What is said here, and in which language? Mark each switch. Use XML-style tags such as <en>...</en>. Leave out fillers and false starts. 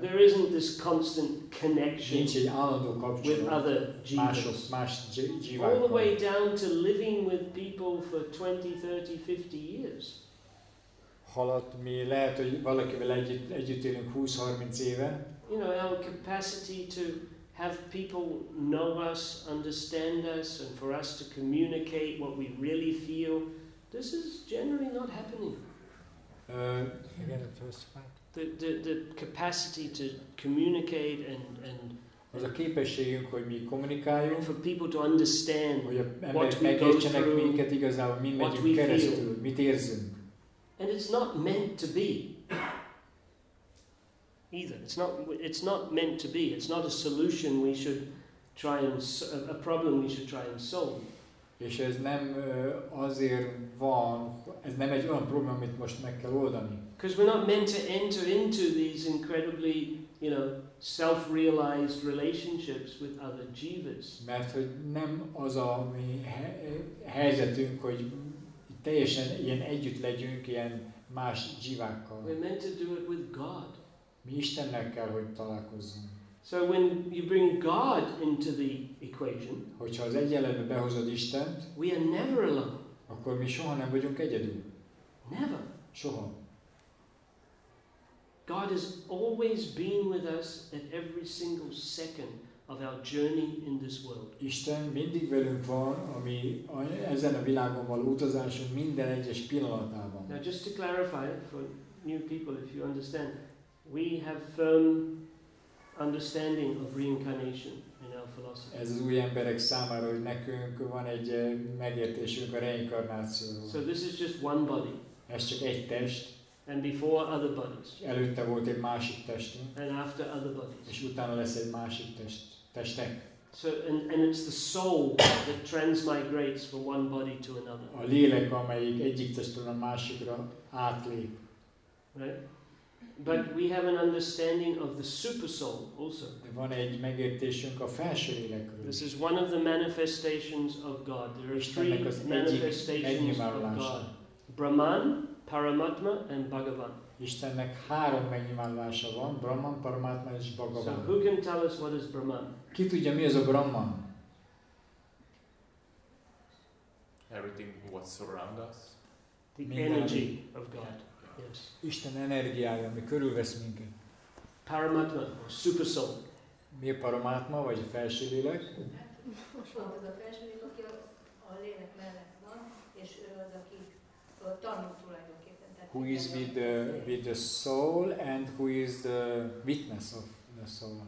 <en>there isn't this constant connection with other jeevas. All the way down to living with people for 20, 30, 50 years.</en> <hu>Halad, mi lehet, hogy valakivel együtt élünk 20-30 éve.</hu> <en>You know, our capacity to have people know us, understand us, and for us to communicate what we really feel. This is generally not happening. Again, the first fact. The capacity to communicate and</en> <hu>az a képességünk, hogy mi kommunikáljunk,</hu> <en>for people to understand what we go through,</en> <hu>minket igazából, mi</hu> <en>what we</en> <hu>keresztül,</hu> <en>feel,</en> <hu>mit érzünk.</hu> <en>And it's not meant to be. Either. It's not meant to be. It's not a solution we should try and a problem we should try and solve.</en> <hu>És ez nem azért van, ez nem egy olyan probléma, amit most meg kell oldani.</hu> <en>Because we're not meant to enter into these incredibly, you know, self-realized relationships with other jivas.</en> <hu>Mert hogy nem az a mi helyzetünk, hogy teljesen ilyen együtt legyünk ilyen más jivákkal.</hu> <en>We're meant to do it with God.</en> <hu>Mi Istennek kell, hogy találkozzunk.</hu> <en>So when you bring God into the equation,</en> <hu>hogyha az egyenletbe behozod Istent,</hu> <en>we are never alone.</en> <hu>Akkor mi soha nem vagyunk egyedül.</hu> <en>Never.</en> <hu>Soha.</hu> <en>God has always been with us at every single second of our journey in this world.</en> <hu>Isten mindig velünk van, ami ezen a világon való utazásunk minden egyes pillanatában.</hu> <en>Now just to clarify for new people, if you understand, we have firm understanding of reincarnation in our philosophy.</en> <hu>Ez az új emberek számára, hogy nekünk van egy megértésünk a reinkarnációról.</hu> <en>So this is just one body.</en> <hu>Ez csak egy test.</hu> <en>And before other bodies.</en> <hu>Előtte volt egy másik testünk.</hu> <en>And after other bodies.</en> <hu>És utána lesz egy másik testek.</hu> <en>So and it's the soul that transmigrates from one body to another.</en> <hu>A lélek, amelyik egyik testről a másikra átlép.</hu> <en>Right? But we have an understanding of the super soul also.</en> <hu>Van egy megértésünk a felső lélekről.</hu> <en>This is one of the manifestations of God. There are three manifestations of God. Brahman, Paramatma and Bhagavan.</en> <hu>Istennek három megnyilvánulása van, Brahman, Paramatma és Bhagavan.</hu> <en>So who can tell us what is Brahman?</en> <hu>Ki tudja, mi az a Brahman?</hu> <en>Everything what surrounds us. The energy of God. Yeah. Yes.</en> <hu>Isten energiája, ami körülvesz minket.</hu> <en>Paramatma, super soul.</en> <hu>Mi a Paramatma, vagy a felső lélek? Most mondtad, a felső lélek, aki a lélek mellett van, és ő az, aki tanul tulajdonképpen.</hu> <en>Who is with the soul, and who is the witness of the soul.</en>